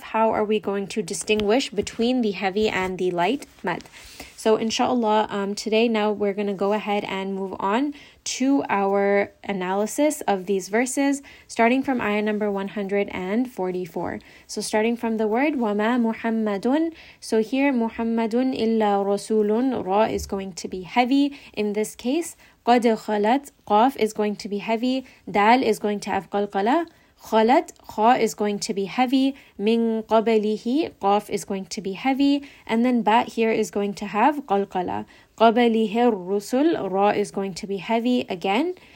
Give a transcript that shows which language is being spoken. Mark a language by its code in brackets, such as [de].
[en] How are we going to distinguish between the heavy and the light mad? So inshallah, today now we're going to go ahead and move on to our analysis of these verses, starting from ayah number 144. So starting from the word, [ar] وَمَا مُحَمَّدٌ. So here, مُحَمَّدٌ إِلَّا رَسُولٌ. [en] Ra is going to be heavy. In this case, [ar] قَدْ خَلَتْ. [en] قَاف is going to be heavy. دَال is going to have قَلْقَلَة. [ar] خَلَتْ. [en] خَا is going to be heavy. [ar] مِنْ قَبَلِهِ. [en] قَاف is going to be heavy. And then بَا here is going to have قَلْقَلَة. [ar] قَبَلِهِ الرُّسُلُ. [en] رَا is going to be heavy again.